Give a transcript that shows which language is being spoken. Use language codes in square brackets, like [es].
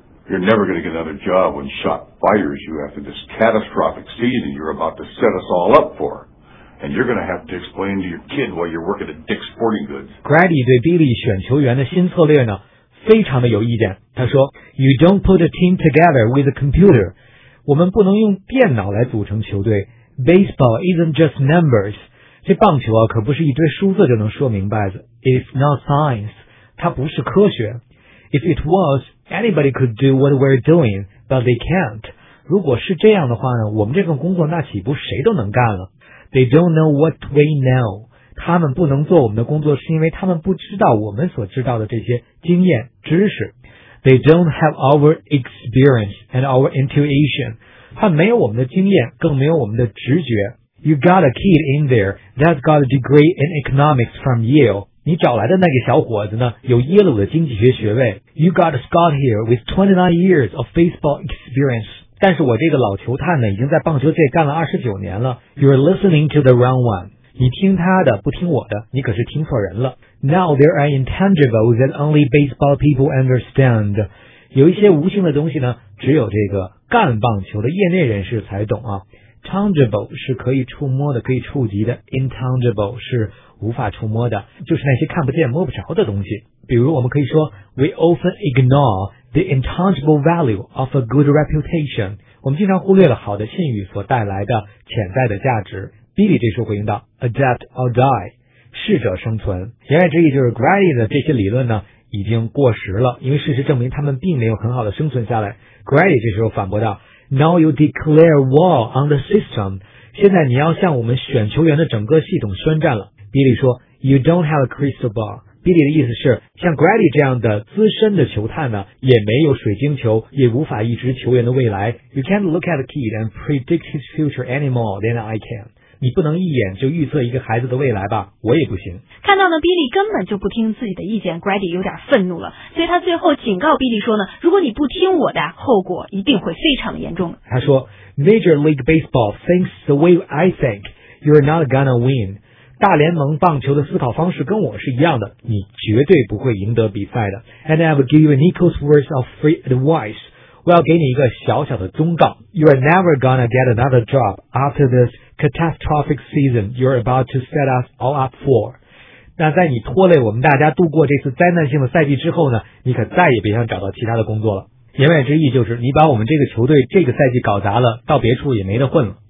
[en] You're never going to get another job when shot fires you after this catastrophic season you're about to set us all up for. And you're going to have to explain to your kid why you're working at Dick's Sporting Goods. [zh] Grady 对 Billy 选球员的新策略呢非常的有意见。他说 [en] You don't put a team together with a computer. [zh] 我们不能用电脑来组成球队。 [en] Baseball isn't just numbers. [zh] 这棒球啊可不是一堆数字就能说明白的。 [en] It's not science. [zh] 它不是科学。 [en] If it was,Anybody could do what we're doing, but they can't. [zh] 如果是这样的话呢，我们这份工作那岂不谁都能干了？ [en] They don't know what we know. [zh] 他们不能做我们的工作，是因为他们不知道我们所知道的这些经验知识。 [en] They don't have our experience and our intuition. [zh] 他没有我们的经验，更没有我们的直觉。 [en] You got a kid in there that's got a degree in economics from Yale. [zh] 你找来的那个小伙子呢有耶鲁的经济学学位。 [en] You got a scout here with 29 years of baseball experience. [zh] 但是我这个老球探呢已经在棒球界干了29年了。 [en] You're listening to the wrong one. [zh] 你听他的不听我的你可是听错人了。 [en] Now there are intangibles that only baseball people understand. [zh] 有一些无形的东西呢只有这个干棒球的业内人士才懂啊。 Tangible 是可以触摸的可以触及的 ,intangible 是无法触摸的就是那些看不见摸不着的东西。比如我们可以说 [en] ,we often ignore the intangible value of a good reputation. [zh] 我们经常忽略了好的信誉所带来的潜在的价值。 Billy 这时候回应到 , [en] adapt or die, [zh] 适者生存。言外之意就是 Grady 的这些理论呢已经过时了因为事实证明他们并没有很好的生存下来。 Grady 这时候反驳到 , [en] now you declare war on the system, [zh] 现在你要向我们选球员的整个系统宣战了。 [en] Billy [zh] 说 [en] ,You don't have a crystal ball. [zh] Billy 的意思是像 Grady 这样的资深的球探呢也没有水晶球也无法预知球员的未来。 [en] You can't look at a kid and predict his future anymore than I can. [zh] 你不能一眼就预测一个孩子的未来吧我也不行。看到呢 ,Billy 根本就不听自己的意见 ,Grady 有点愤怒了。所以他最后警告 Billy 说呢如果你不听我的后果一定会非常的严重。他说 [en] ,Major League Baseball thinks the way I think, you're not gonna win. [zh] 大联盟棒球的思考方式跟我是一样的，你绝对不会赢得比赛的。 [en] And I will give you Nico's words of free advice， [zh] 我要给你一个小小的忠告。 [en] You are never gonna get another job after this catastrophic season you're about to set us all up for。 [zh] 那在你拖累我们大家度过这次灾难性的赛季之后呢，你可再也别想找到其他的工作了。言外之意就是你把我们这个球队这个赛季搞砸了，到别处也没得混了。